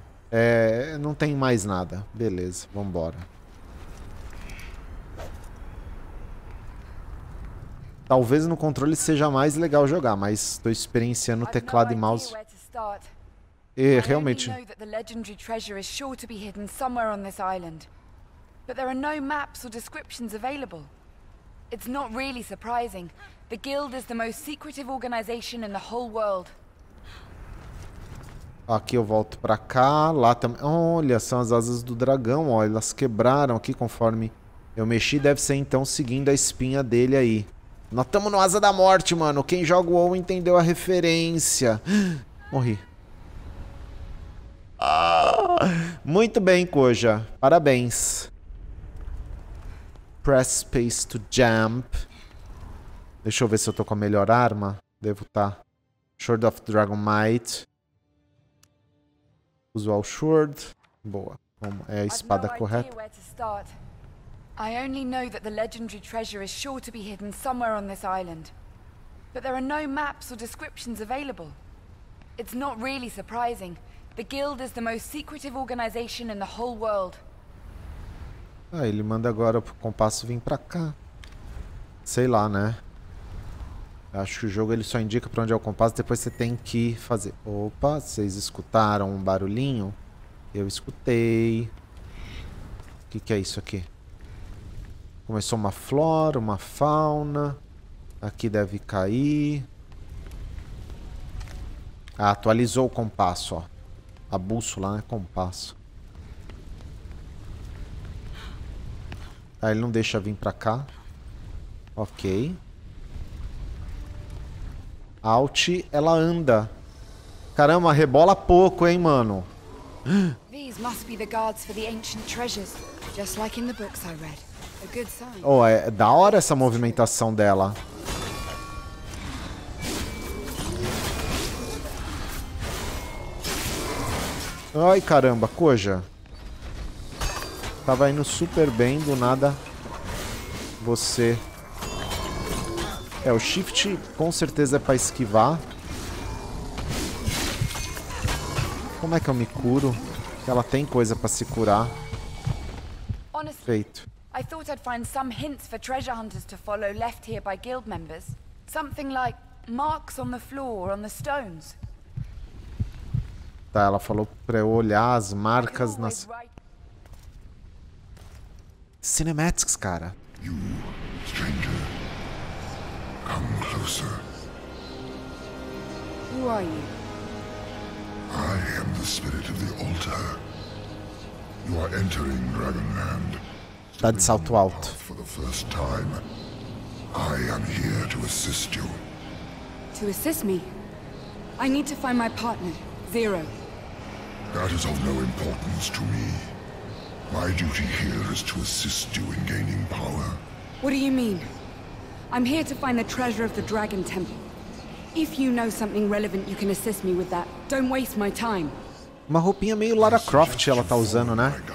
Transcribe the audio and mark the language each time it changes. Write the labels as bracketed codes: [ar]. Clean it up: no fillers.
[pt] É, não tem mais nada. Beleza, vambora. Talvez no controle seja mais legal jogar, mas estou experienciando teclado e mouse. E realmente. [en] I know that the legendary treasure is sure to be hidden somewhere on this island, but there are no maps or descriptions available. It's not really surprising. The guild is the most secretive organization in the whole world. [pt] Aqui eu volto para cá, lá também. Olha, são as asas do dragão, ó, elas quebraram aqui conforme eu mexi, deve ser então seguindo a espinha dele aí. Nós estamos no Asa da Morte, mano. Quem joga o WoW entendeu a referência. Morri. Muito bem, Koja. Parabéns. [en] Press space to jump. [pt] Deixa eu ver se eu tô com a melhor arma. Devo estar. Sword of Dragon Might. Usual Sword. Boa. É a espada correta. [en] I only know that the legendary treasure is sure to be hidden somewhere on this island. But there are no maps or descriptions available. It's not really surprising. The guild is the most secretive organization in the whole world. [pt] Ah, ele manda agora pro compasso vir pra cá. Sei lá, né? Acho que o jogo ele só indica pra onde é o compasso, depois você tem que fazer. Opa, vocês escutaram um barulhinho? Eu escutei. Que é isso aqui? Começou uma flora, uma fauna. Aqui deve cair. Ah, atualizou o compasso, ó. A bússola, né? Compasso. Ah, ele não deixa vir pra cá. Ok. Alt, ela anda. Caramba, rebola pouco, hein, mano? [en] These must be the guards for the ancient treasures, just like in the books I read. [pt] Oh, é da hora essa movimentação dela. Ai, caramba, coja. Tava indo super bem, do nada. Você. É, o shift com certeza é pra esquivar. Como é que eu me curo? Ela tem coisa pra se curar. Feito. [en] I thought I'd find some hints for treasure hunters to follow left here by guild members. Something like marks on the floor or on the stones. [pt] Tá, ela falou pra eu olhar as marcas nas... Cinematics, cara. [en] You, stranger. Come closer. Who are you? I am the spirit of the altar. You are entering Dragonland. [pt] Tá de salto alto. [en] For the first time, I am here to assist you. To assist me? I need to find my partner, Zero. That is of no importance to me. My duty here is to assist you in gaining power. What do you mean? I'm here to find the treasure of the Dragon Temple. If you know something relevant, you can assist me with that. Don't waste my time. [pt] Uma roupinha meio Lara Croft ela tá usando, né?